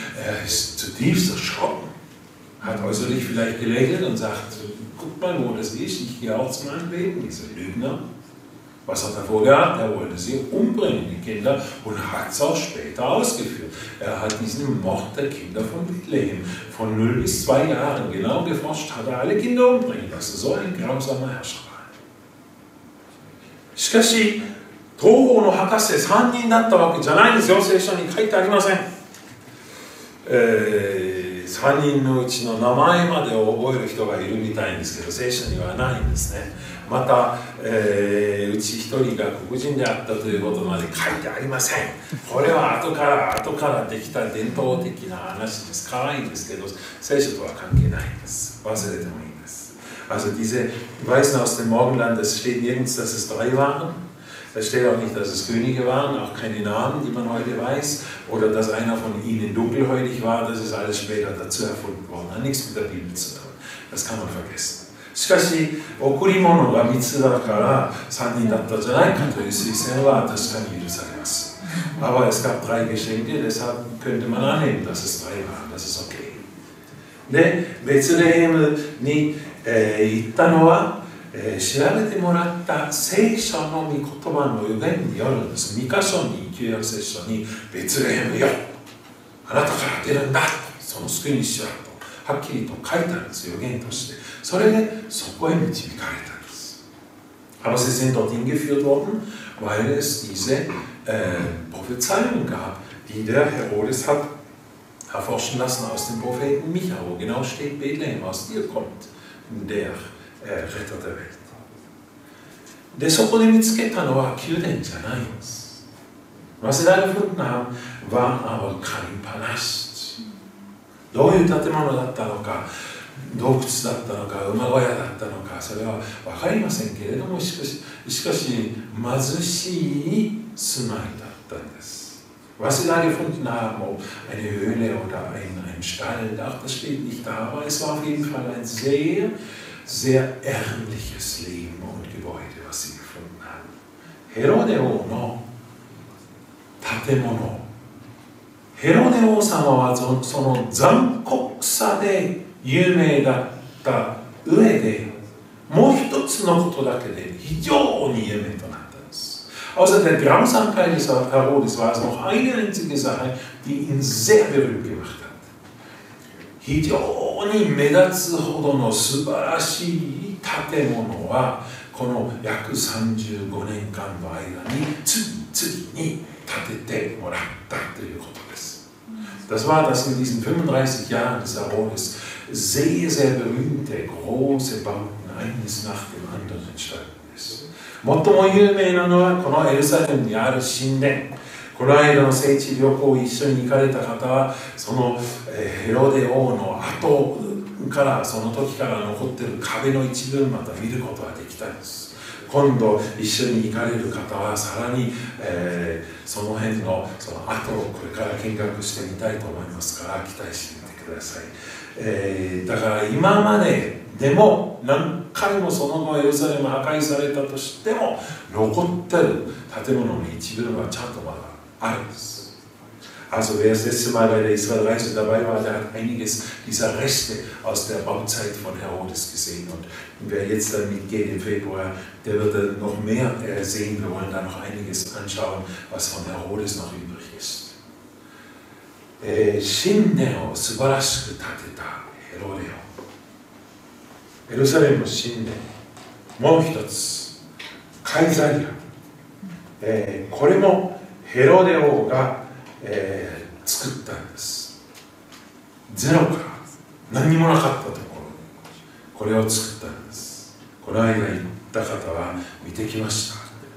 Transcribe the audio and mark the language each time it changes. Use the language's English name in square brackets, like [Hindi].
[German] Er ist zutiefst erschrocken, hat äußerlich vielleicht gelächelt und sagt, guck mal, wo das ist, ich gehe auch zu meinem Leben, dieser Lügner. Was hat er vorgehabt? Er wollte sie umbringen, die Kinder, und hat es auch später ausgeführt. Er hat diesen Mord der Kinder von Bethlehem von 0 bis 2 Jahren genau geforscht, hat er alle Kinder umbringen lassen. So ein grausamer Herrscher. [Japanese] しかし、東方の博士3人だったわけじゃないんですよ、聖書に書いてありません。 3人のうちの名前までを覚える人がいるみたいんですけど、聖書にはないんですね。また、うち一人が黒人であったということまで書いてありません。これは後からできた伝統的な話です。可愛いですけど、聖書とは関係ないです。忘れてもいいです。 [German] Also diese Weisen aus dem Morgenland, es steht nirgends, dass es drei waren. Es steht auch nicht, dass es Könige waren, auch keine Namen, die man heute weiß. Oder dass einer von ihnen dunkelhäutig war, das ist alles später dazu erfunden worden. Hat nichts mit der Bibel zu tun. Das kann man vergessen. [Japanese] しかし、贈り物が3つだから3人だったじゃないかという推薦は確かに許されます。 [German] Aber es gab drei Geschenke, deshalb könnte man annehmen, dass es drei waren. Das ist okay. [Japanese] で、ベツレヘムに、行ったのは、調べてもらった聖書の御言葉の予言によるんです。 2箇所に、旧約聖書に、ベツレヘムよ、あなたから出るんだ、その救い主は、とはっきりと書いてあるんです、予言として。それでそこへ導かれたんです。 [German] Aber sie sind dort hingeführt worden, weil es diese Prophezeiung gab, die der Herodes hat erforschen lassen aus dem Propheten Micha, wo genau steht Bethlehem, aus dir kommt der Retter der Welt. [Japanese] で、そこで見つけたのは宮殿じゃないんです。 [German] Was sie da gefunden haben, war aber kein Palast. [Japanese] どういう建物だったのか。洞窟だったのか、馬小屋だったのか、それは分かりませんけれども、しかし貧しい住まいだったんです。 [German] Was sie da gefunden haben, ob eine Höhle oder ein Stall, das steht nicht da, aber es war auf jeden Fall ein sehr, sehr ärmliches Leben und Gebäude, was sie gefunden haben. [Japanese] ヘロデ王の建物。ヘロデ王様はその残酷さで有名だった上でもう一つのことだけで非常に有名となったんです。 [German] Außer der Grausamkeit des Herodes war es noch eine einzige Sache, die ihn sehr berühmt gemacht hat. [Japanese] 非常に目立つほどの素晴らしい建物はこの約35年間の間に次々に建ててもらったということです。 [German] Das war das in diesen 35 Jahren des Herodes. Sehr, sehr berühmte, große Bauten, eines nach dem anderen entstanden ist. [Japanese] Motto も有名なのは、このエルサレムにある神殿。この間の聖地旅行を一緒に行かれた方は、そのヘロデ王の後から、その時から残っている壁の一部をまた見ることができたんです。今度一緒に行かれる方は、さらに、その辺の、その後をこれから見学してみたいと思いますから、期待してみてください。だから今まででも何回もその後エルサレム破壊されたとしても残ってる建物の一部はちゃんとまだあるんです。 [German] Also wer das letzte Mal bei der Israelreise dabei war, der hat einiges dieser Reste aus der Bauzeit von Herodes gesehen. Und wer jetzt dann mitgeht im Februar, der wird noch mehr sehen. Wir wollen da noch einiges anschauen, was von Herodes noch übrig ist. [Japanese] 神殿を素晴らしく建てたヘロデ王エルサレム神殿もう一つカイザリア、これもヘロデ王が、作ったんですゼロから何にもなかったところにこれを作ったんですこの間行った方は見てきました